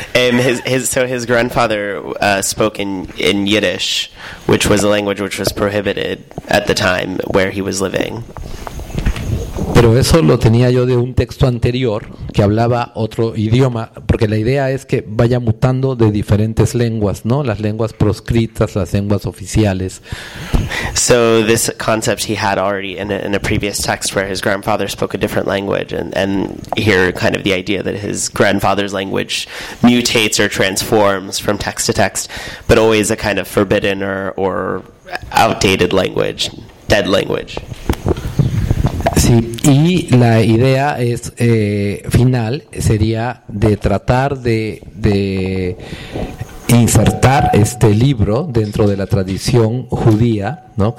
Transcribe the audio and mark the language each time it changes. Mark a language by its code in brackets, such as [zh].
[en] His grandfather spoke in Yiddish, which was a language which was prohibited at the time where he was living. [es] Pero eso lo tenía yo de un texto anterior que hablaba otro idioma, porque la idea es que vaya mutando de diferentes lenguas, ¿no? Las lenguas proscritas, las lenguas oficiales. [en] So this concept he had already in a previous text where his grandfather spoke a different language, and here kind of the idea that his grandfather's language mutates or transforms from text to text, but always a kind of forbidden or outdated language, dead language. [es] Sí, y la idea es final sería de tratar de insertar este libro dentro de la tradición judía, ¿no?